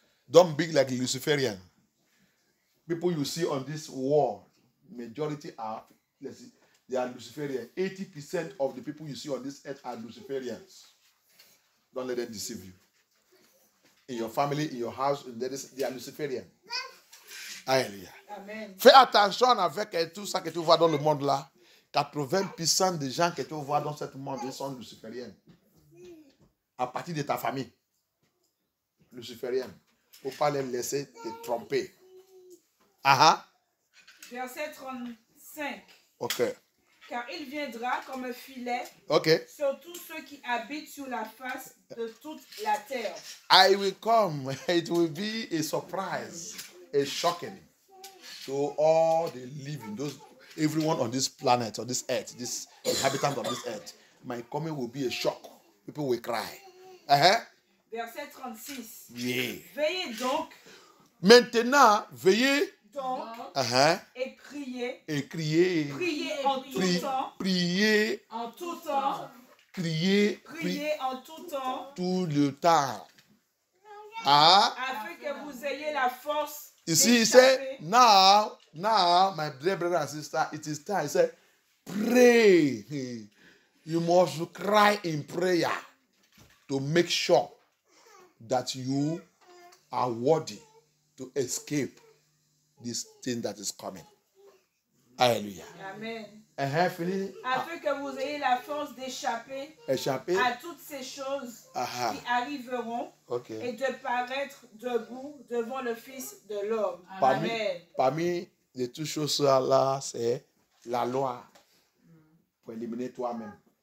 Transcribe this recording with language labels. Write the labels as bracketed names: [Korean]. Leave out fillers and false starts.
[English] Don't be like the Luciferian. People you see on this world, majority are, let's see, they are Luciferian. 80% of the people you see on this earth are Luciferians. Don't let them deceive you. In your family, in your house, they are Luciferian. [French] Alléluia. Amen. Fais attention avec tout ça que tu vois dans le monde là. 80% des gens que tu vois dans ce monde sont Luciferiens. À partir de ta famille. Luciférienne. Il ne faut pas les laisser te tromper. Verset 35. Ok. Car il viendra comme un filet sur tous ceux qui habitent sur la face de toute la terre. [English] I will come. It will be a surprise, a shocking to all the living, everyone on this planet, on this earth, this inhabitant of this earth. My coming will be a shock. People will cry. [French] Verset 36. [English] Yeah. [French] Veillez donc. Maintenant, veillez. Donc, et priez en tout temps, afin que vous ayez la force. Ici, il dit, [English] now, my brother and sister, it is time. He said, pray. You must cry in prayer to make sure that you are worthy to escape this thing that is coming. [French] Alléluia. Amen. Fini. Afin que vous ayez la force d'échapper à toutes ces choses qui arriveront et de paraître debout devant le Fils de l'homme. Amen. Parmi les toutes choses là, c'est la loi pour éliminer toi-même.